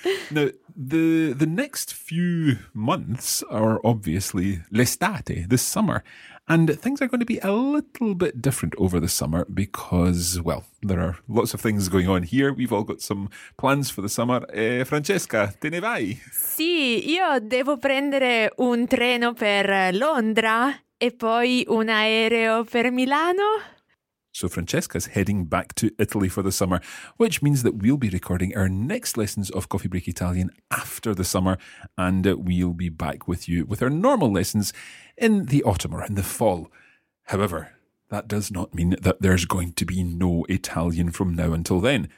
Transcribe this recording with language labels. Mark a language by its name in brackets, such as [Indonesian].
[English] Now, the next few months are obviously l'estate, the summer. And things are going to be a little bit different over the summer because, well, there are lots of things going on here. We've all got some plans for the summer. [Italian] Francesca, te ne vai? Sì, io devo prendere un treno per Londra e poi un aereo per Milano. [English] So Francesca's heading back to Italy for the summer, which means that we'll be recording our next lessons of Coffee Break Italian after the summer, and we'll be back with you with our normal lessons in the autumn or in the fall. However, that does not mean that there's going to be no Italian from now until then.